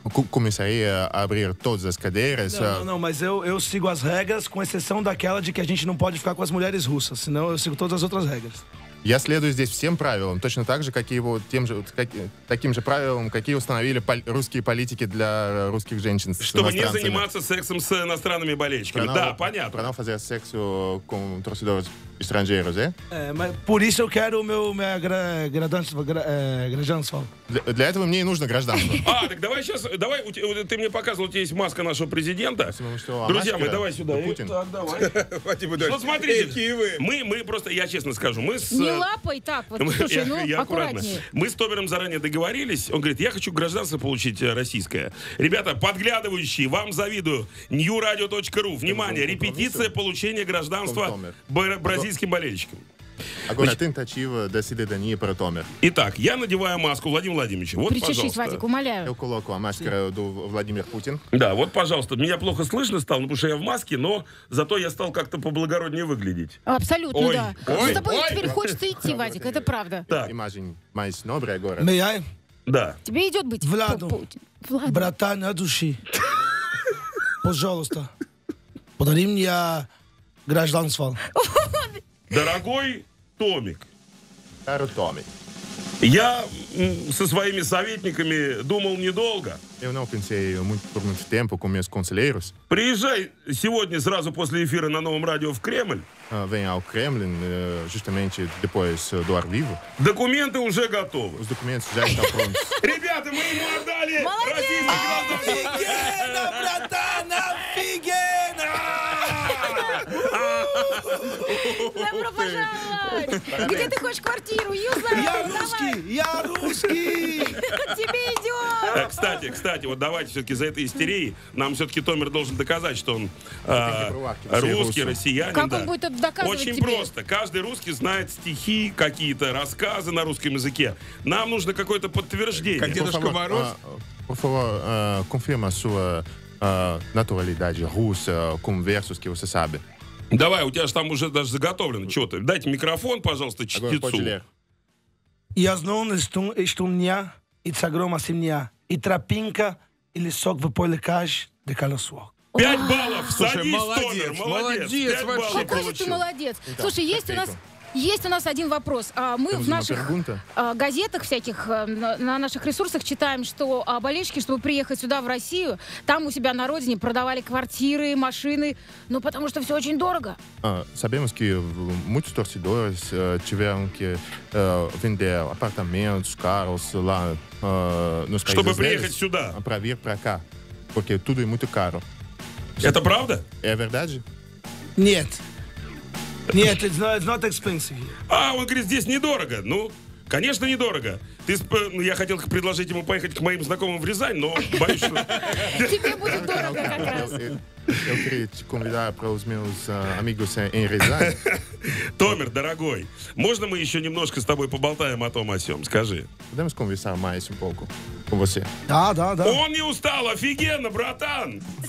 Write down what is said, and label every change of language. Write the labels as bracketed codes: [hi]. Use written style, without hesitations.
[pt] Começaria a abrir todas as cadeiras. Não, mas eu sigo as regras, com exceção daquela de que a gente não pode ficar com as mulheres russas, senão eu sigo todas as outras regras. [ru] Я следую здесь всем правилам, точно так же, как и вот тем же, таким же правилам, какие установили русские политики для русских женщин. Чтобы не заниматься сексом с иностранными болельщиками. Да, понятно. [pt] Para não fazer sexo com torcedores estrangeiros, é? Por isso eu quero o meu гражданство. [ru] Для этого мне и нужно гражданство. А, так давай сейчас, ты мне показывал, у тебя есть маска нашего президента. Друзья мои, давай сюда. Путин. Так, давай. Ну, смотрите, мы просто, я честно скажу, мы с не лапай так, вот, слушай, аккуратно. Мы с Томером заранее договорились. Он говорит, я хочу гражданство получить российское. Ребята, подглядывающие, вам завидую. newradio.ru. Внимание, репетиция получения гражданства бразильским болельщикам. [pt] Agora, tentativa da cidadania para Tomer. [ru] Итак, я надеваю маску Владимира Владимировича. Вот, причешись, Вадик, умоляю. [pt] Eu coloco a máscara do Vladimir Putin. [ru] Да, вот, пожалуйста. Меня плохо слышно стало, потому что я в маске, но зато я стал как-то поблагороднее выглядеть. Абсолютно, ой, да. Ой, с тобой теперь хочется идти, Вадик, это правда. Так. [pt] Imagine mais nobre agora. Me I? [ru] Да. Тебе идет быть Владу. Владу. Братан на души. Пожалуйста. Подари мне гражданство. Дорогой Томик. Старый Томик. Я со своими советниками думал недолго. [pt] Eu não pensei muito tempo com meus conselheiros. [ru] Приезжай сегодня сразу после эфира на новом радио в Кремль. [pt] Venha ao Kremlin, justamente depois do ar vivo. [ru] Документы уже готовы. [pt] Os documentos já estão prontos. [ru] Ребята, мы ему отдали российский гражданин. Офигенно, братан, офигенно! Добро пожаловать! Где ты хочешь квартиру? Я русский! Тебе идет! Кстати, вот давайте все-таки за этой истерией нам все-таки Томер должен доказать, что он русский, россиянин. Как он будет это доказывать? Очень просто. Каждый русский знает стихи, какие-то рассказы на русском языке. Нам нужно какое-то подтверждение. Как Дедушка Мороз? [pt] Confirma sua naturalidade russa, com versos que você sabe. [ru] Давай, у тебя же там уже даже заготовлено что-то. Дайте микрофон, пожалуйста, чтецу. Я знаю, что у меня и цагрома семья, и тропинка, и лесок в поле каш, де колесо. 5 баллов, садись, Томер, молодец. Молодец, вообще получил. Какой же ты молодец. Слушай, есть у нас... Есть у нас один вопрос. Мы в наших газетах всяких, на наших ресурсах читаем, что болельщики, чтобы приехать сюда, в Россию, там у себя на родине продавали квартиры, машины, ну, потому что все очень дорого. [pt] Sabemos que muitos torcedores tiveram que vender apartamentos, carros lá nos países. [ru] Чтобы приехать сюда. [pt] Para vir para cá, porque tudo é muito caro. [ru] Это правда? [pt] É verdade? [ru] Нет. Нет, [en] it's not expensive. [ru] А, он говорит, здесь недорого. Ну, конечно, недорого. Ты, я хотел предложить ему поехать к моим знакомым в Рязань, но боюсь, что... Тебе будет дорого как раз. [pt] Eu queria te convidar para os meus amigos em Rezende. [ru] Tomer, дорогой, можно мы еще немножко с тобой поболтаем о том, о сём? Скажи. [pt] Podemos conversar mais um pouco com você? [ru] Да, да, да. Он не устал, офигенно, братан!